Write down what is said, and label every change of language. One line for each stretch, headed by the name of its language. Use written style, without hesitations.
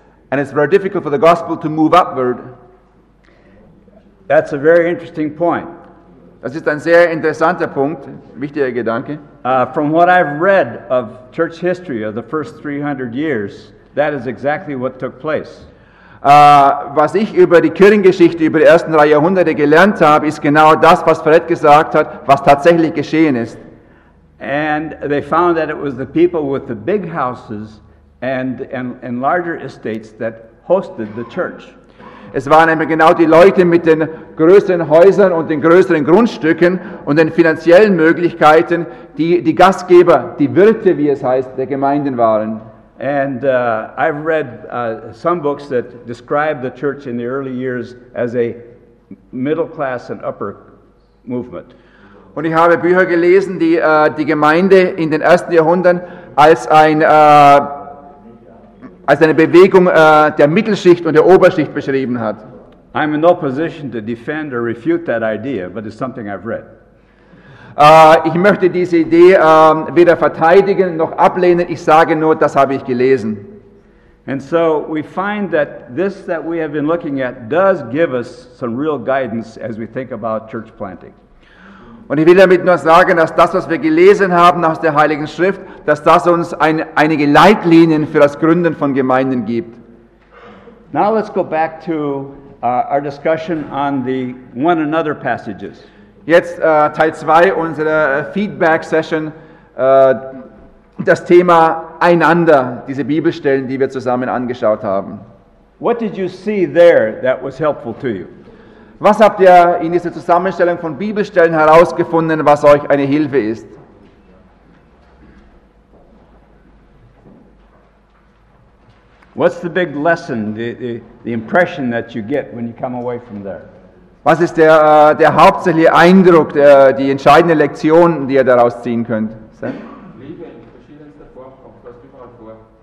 English: And it's very difficult for the gospel to move upward. That's a very interesting point.
German: Das ist ein sehr interessanter Punkt, wichtiger Gedanke.
English: From what I've read of church history of the first 300 years, that is exactly what took place.
German: Was ich über die Kirchengeschichte über die ersten drei Jahrhunderte gelernt habe, ist genau das, was Fred gesagt hat, was tatsächlich geschehen ist.
English: And they found that it was the people with the big houses and larger estates that hosted the church.
German: Es waren eben genau die Leute mit den größeren Häusern und den größeren Grundstücken und den finanziellen Möglichkeiten, die Gastgeber, die Wirte, wie es heißt, der Gemeinden waren.
English: And I've read some books that describe the church in the early years as a middle class and upper movement.
German: Und ich habe Bücher gelesen, die die Gemeinde in den ersten Jahrhunderten als eine Bewegung der Mittelschicht und der Oberschicht beschrieben hat.
English: I'm in no position to defend or refute that idea, but it's something I've read.
German: Ich möchte diese Idee weder verteidigen noch ablehnen. Ich sage nur, das habe ich gelesen.
English: And so we find that this that we have been looking at does give us some real guidance as we think about church planting.
German: Und ich will damit nur sagen, dass das, was wir gelesen haben aus der Heiligen Schrift, dass das uns einige Leitlinien für das Gründen von Gemeinden gibt.
English: Now let's go back to our discussion on the one another passages.
German: Jetzt Teil 2 unserer Feedback-Session, das Thema Einander, diese Bibelstellen, die wir zusammen angeschaut haben.
English: What did you see there that was helpful to you?
German: Was habt ihr in dieser Zusammenstellung von Bibelstellen herausgefunden, was euch eine Hilfe ist?
English: What's the big lesson, the impression that you get when you come away from there?
German: Was ist der hauptsächliche Eindruck, die entscheidende Lektion, die ihr daraus ziehen könnt? Liebe in verschiedenster Form kommt fast überall vor.